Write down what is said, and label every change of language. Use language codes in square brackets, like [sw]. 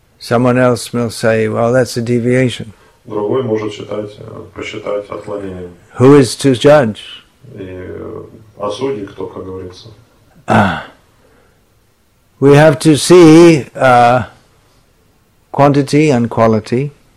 [en] Someone else will say, well, that's a deviation. [ru] Другой может считать, посчитать отклонением. [en] Who is to judge? [ru] И осуди кто, как говорится. [en] We have to see quantity and quality.